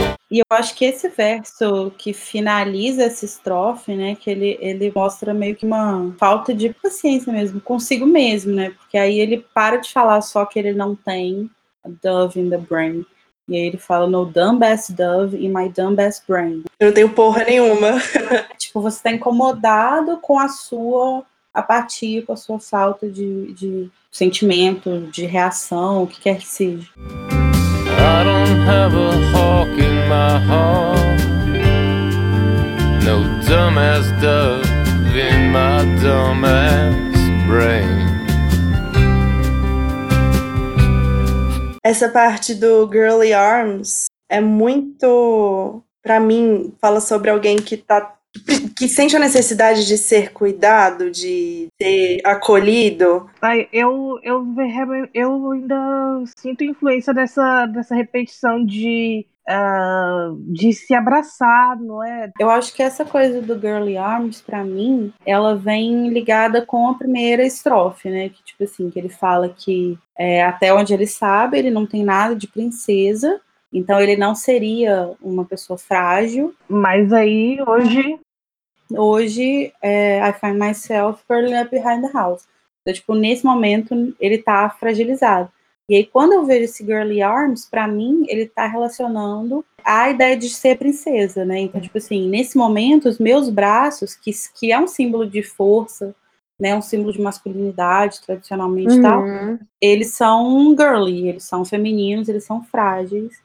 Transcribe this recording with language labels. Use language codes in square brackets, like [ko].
[pt] E eu acho que esse verso que finaliza essa estrofe, né, que ele mostra meio que uma falta de paciência mesmo, consigo mesmo, né, porque aí ele para de falar só que ele não tem [en] a dove in the brain. [pt] E aí ele fala, [en] no dumbass dove in my dumbass brain. [pt] Eu não tenho porra nenhuma. Tipo, você tá incomodado com a sua apatia, com a sua falta de sentimento, de reação, o que quer que seja. [en] I don't have a hawk in my heart. No dumbass dove in my dumbass brain. [pt] Essa parte do Girly Arms é muito, pra mim, fala sobre alguém que tá que sente a necessidade de ser cuidado, de ser acolhido. Ai, eu ainda sinto influência dessa repetição de se abraçar, não é? Eu acho que essa coisa do Girly Arms, pra mim, ela vem ligada com a primeira estrofe, né? Que, tipo assim, que ele fala que até onde ele sabe, ele não tem nada de princesa. Então ele não seria uma pessoa frágil. Mas aí, hoje... Hoje, [en] I find myself curling up behind the house. [pt] Então, tipo, nesse momento, ele tá fragilizado. E aí, quando eu vejo esse Girly Arms, pra mim, ele tá relacionando a ideia de ser princesa, né? Então, tipo assim, nesse momento, os meus braços, que é um símbolo de força, né? Um símbolo de masculinidade, tradicionalmente, uhum, tal. Eles são girly, eles são femininos, eles são frágeis.